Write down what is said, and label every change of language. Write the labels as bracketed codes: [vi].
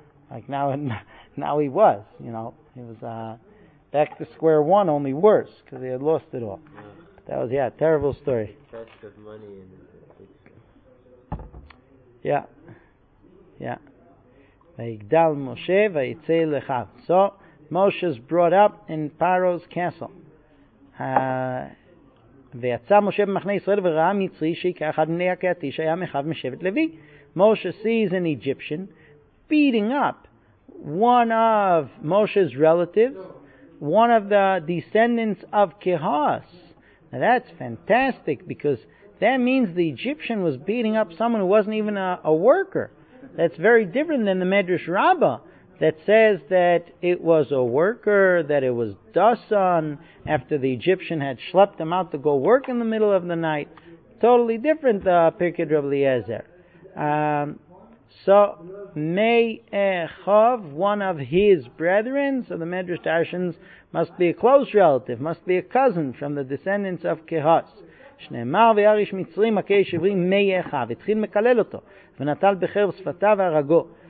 [en] Like now he was, you know. He was back to square one, only worse, because he had lost it all. Yeah. That was, a terrible story. Test of money in it. [he] Yeah. Vayigdal Moshe vayitze lechav. [en] So Moshe is brought up in Pharaoh's castle. [he] ויצא משה במחנה ישראל וראה מצרי שכאחד בני הקהתי שהיה מחב משבט לוי. [en] Moshe sees an Egyptian beating up one of Moshe's relatives, one of the descendants of Kehas. Now that's fantastic, because that means the Egyptian was beating up someone who wasn't even a worker. That's very different than the Medrash Rabbah that says that it was a worker, that it was Dasan after the Egyptian had schlepped him out to go work in the middle of the night. Totally different, Pirkei Rabbi Eliezer. So, Mei Echav, one of his brethren, so the Medrash Darshins, must be a close relative, must be a cousin from the descendants of Kehas. [he] שנאמר ויריש מצרים מכה שברים מי אחיו, התחיל מקלל אותו, ונטל בחרב שפתיו והרגו.